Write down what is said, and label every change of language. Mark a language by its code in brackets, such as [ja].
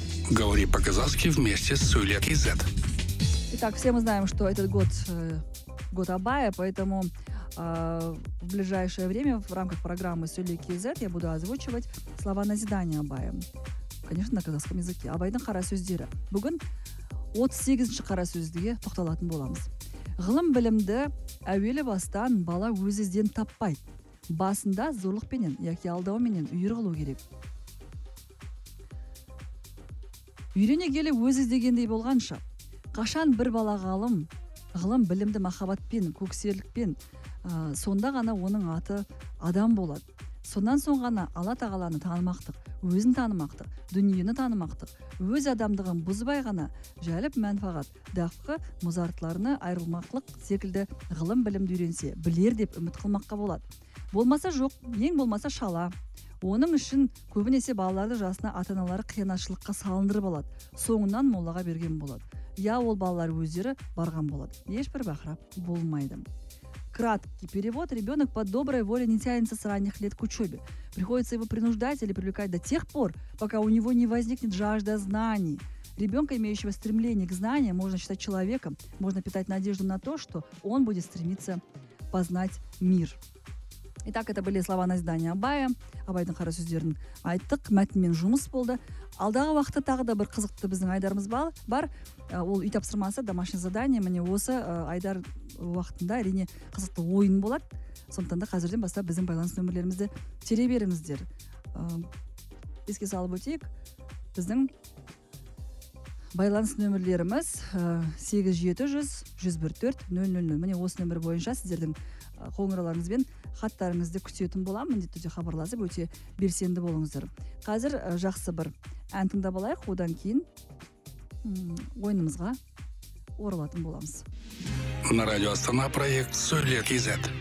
[ru] Говори по-казахски вместе с Сөйлер.кз. Итак, все мы знаем, что этот год год Абая, поэтому в ближайшее время в рамках программы Сөйлер.кз я буду озвучивать слова назидания Абая. Конечно, на казахском языке. [kk] Абайдың қара сөздері. Бүгін 38-ші қара сөздіге тоқталатын боламыз. Ғылым білімді әуелі бастан бала өз ізден таппайды. Басында зорлықпенен, яки алдауменен үйір қылу керек. Үйрене келе өз іздегендей болғанша, қашан бір бала ғалым, ғылым білімді махаббатпен, көксерлікпен, сонда ғана оның аты адам болады. Сонан соң ғана Алла Тағаланы танымақтық, өзін танымақтық, дүниені танымақтық, өз адамдығын бұзбай ғана жәліп мәнфағат, дақы мұзартларына айрылмақлық секілді ғылым білімді үйренсе, білер деп үміт қылмаққа болады. Болмаса жоқ, ең болмаса шала. Оның үшін көбінесе балаларды жасына ата-аналары қиянатшылыққа салындырып алады. Соңынан молаға берген болады. Я ол балалар өздері барған болады. Ешбір бақырап болмайды. [ru] Краткий перевод. Ребенок по доброй воле не тянется с ранних лет к учебе. Приходится его принуждать или привлекать до тех пор, пока у него не возникнет жажда знаний. Ребенка, имеющего стремление к знаниям, можно считать человеком. Можно питать надежду на то, что он будет стремиться познать мир. Итак, это были слова назидания Абая. [kk] Абайдың қара сөздерін айттық, мәтінмен жұмыс болды. Алдағы уақытта тағы да бір қызықты біздің айдарымыз бар. Ол үй тапсырмасы, [ru] домашнее задание. [kk] Міне осы айдар уақытында әрине қызықты ойын болады. Сондықтан да қазірден бастап біздің байланыс нөмірлерімізді тере беріңіздер. Еске салып өтейік, біздің Байланс нөмірлеріміз 8700-104-000. Міне осы нөмір бойынша сіздердің қоңырауларыңыз бен хаттарыңызды күтетін боламын. Міндетті түрде хабарласып, өте белсенді болыңыздар. Қазір жақсы бір ән тыңдап алайық, одан кейін ойынымызға оралатын боламыз. [ru] На радио Астана проект «Сөйлер.кз».